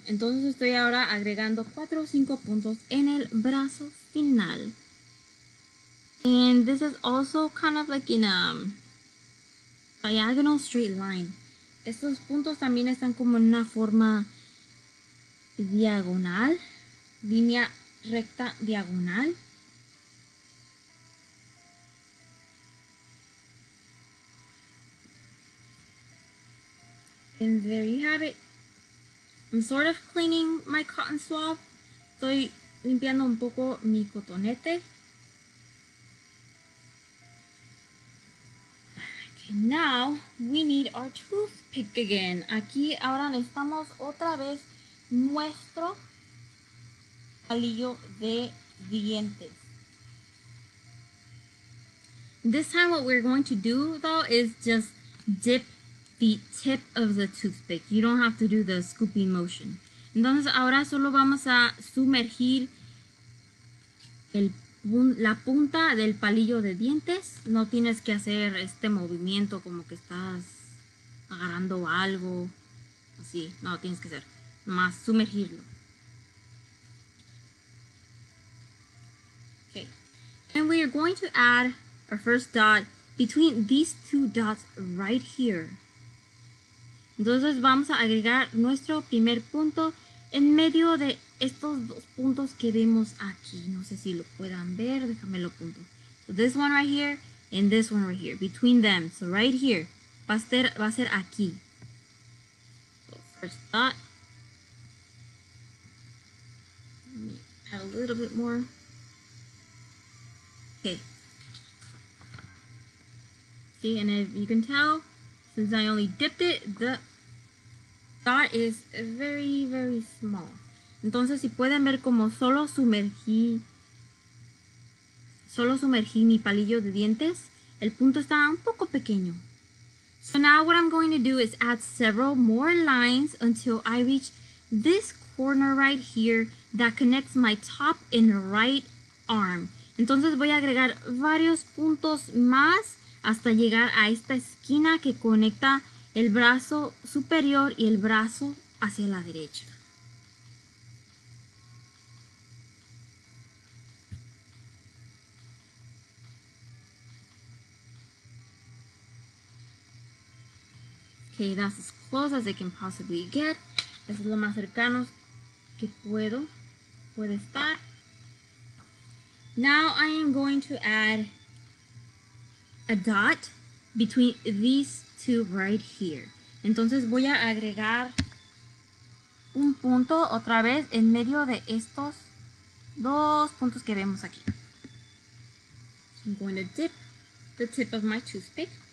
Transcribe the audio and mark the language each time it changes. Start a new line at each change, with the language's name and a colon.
Spanish: Entonces estoy ahora agregando 4 o 5 puntos en el brazo final.
English: And this is also kind of like in a diagonal straight line.
Spanish: Estos puntos también están como en una forma diagonal, línea recta diagonal.
English: And there you have it. I'm sort of cleaning my cotton swab.
Spanish: Estoy limpiando un poco mi cotonete.
English: Now we need our toothpick again.
Spanish: Aquí ahora necesitamos otra vez nuestro palillo de dientes.
English: This time what we're going to do though is just dip the tip of the toothpick. You don't have to do the scooping motion.
Spanish: Entonces ahora solo vamos a sumergir la punta del palillo de dientes. No tienes que hacer este movimiento como que estás agarrando algo. Así, no tienes que hacer. Nomás sumergirlo.
English: Okay. And we are going to add our first dot between these two dots right here.
Spanish: Entonces vamos a agregar nuestro primer punto en medio de estos dos puntos que vemos aquí. No sé si lo puedan ver. Déjame lo punto.
English: So this one right here and this one right here. Between them. So right here.
Spanish: Va a ser aquí.
English: So first dot. Let me add a little bit more. Okay. See, and if you can tell, since I only dipped it, the dot is very, very small.
Spanish: Entonces, si pueden ver como solo sumergí mi palillo de dientes, el punto está un poco pequeño.
English: So now what I'm going to do is add several more lines until I reach this corner right here that connects my top and right arm.
Spanish: Entonces voy a agregar varios puntos más hasta llegar a esta esquina que conecta el brazo superior y el brazo hacia la derecha.
English: Okay, that's as close as I can possibly get.
Spanish: Es lo más cercano que puede estar.
English: Now I am going to add a dot between these two right here.
Spanish: Entonces voy a agregar un punto otra vez en medio de estos dos puntos que vemos aquí.
English: I'm going to dip the tip of my toothpick.